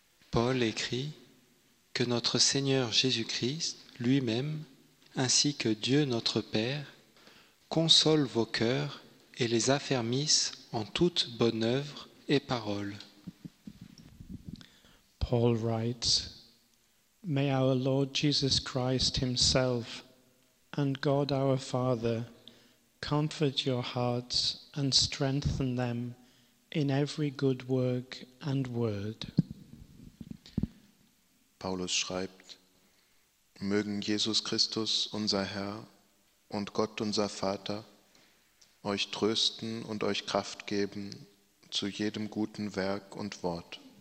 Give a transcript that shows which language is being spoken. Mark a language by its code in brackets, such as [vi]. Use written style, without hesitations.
[fr] Paul écrit que notre Seigneur Jésus-Christ, lui-même, ainsi que Dieu notre Père, console vos cœurs et les affermisse en toute bonne œuvre et parole. [en] Paul writes, May our Lord Jesus Christ himself and God our Father comfort your hearts and strengthen them in every good work and word. [de] Paulus schreibt, Mögen Jesus Christus, unser Herr und Gott, unser Vater, euch trösten und euch Kraft geben zu jedem guten Werk und Wort.